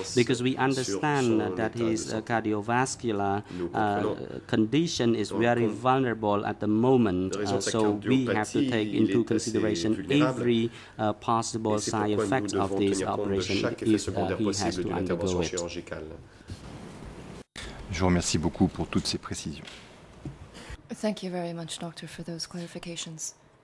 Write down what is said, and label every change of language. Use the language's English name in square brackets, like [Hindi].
[English] Because we understand that his cardiovascular condition is very vulnerable at the moment, so we have to take into consideration every possible side effect of this operation if he has to undergo it. [French] Je vous remercie beaucoup pour toutes ces précisions. [English] Thank you very much, Doctor, for those clarifications.